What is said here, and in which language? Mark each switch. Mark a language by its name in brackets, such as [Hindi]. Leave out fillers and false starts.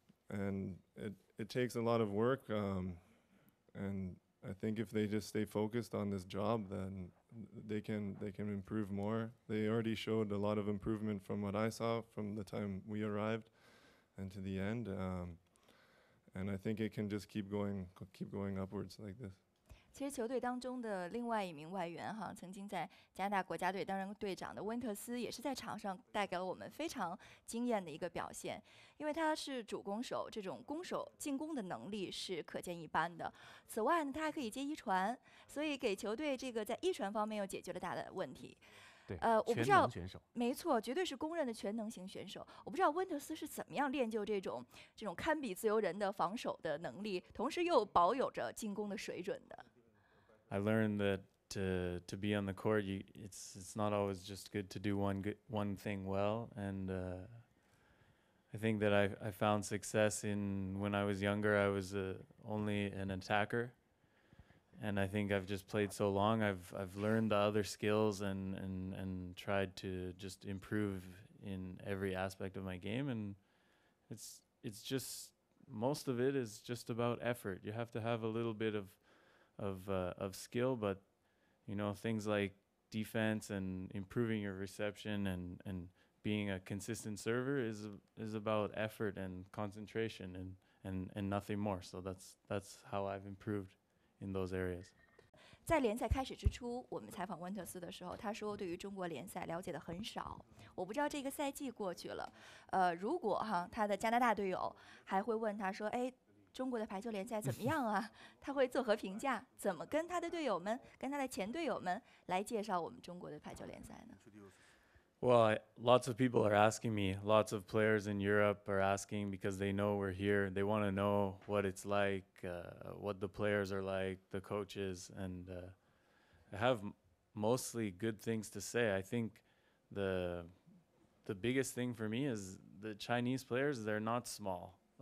[English] And it takes a lot of work. And I think if they just stay focused on this job, then they can improve more. They already showed a lot of improvement from what I saw from the time we arrived and to the end. And I think it can just keep going upwards like this. [Chinese] 其实球队当中的另外一名外援哈，曾经在加拿大国家队担任队长的温特斯，也是在场上带给了我们非常惊艳的一个表现。因为他是主攻手，这种攻守进攻的能力是可见一斑的。此外呢，他还可以接一传，所以给球队这个在一传方面又解决了大的问题。对，我不知道，选手没错，绝对是公认的全能型选手。我不知道温特斯是怎么样练就这种堪比自由人的防守的能力，同时又保有着进攻的水准的。 [English] I learned that to be on the court, it's not always just good to do one thing well. And I think that I found success in when I was younger, I was only an attacker. And I think I've just played so long, I've learned the other skills and tried to just improve in every aspect of my game. And it's just, most of it is just about effort. You have to have a little bit of skill, but you know, things like defense and improving your reception and being a consistent server is about effort and concentration and nothing more. So that's how I've improved in those areas. [Chinese] 在联赛开始之初，我们采访温特斯的时候，他说对于中国联赛了解的很少。我不知道这个赛季过去了，如果哈他的加拿大队友还会问他说，哎。中国的排球联赛怎么样啊？他会作何评价？怎么跟他的队友们、跟他的前队友们来介绍我们中国的排球联赛呢 [English] ？Well, lots of people are asking me. Lots of players in Europe are asking because they know we're here. They want to know what it's like, what the players are like, the coaches, and I have mostly good things to say. I think the biggest thing for me is the Chinese players. They're not small.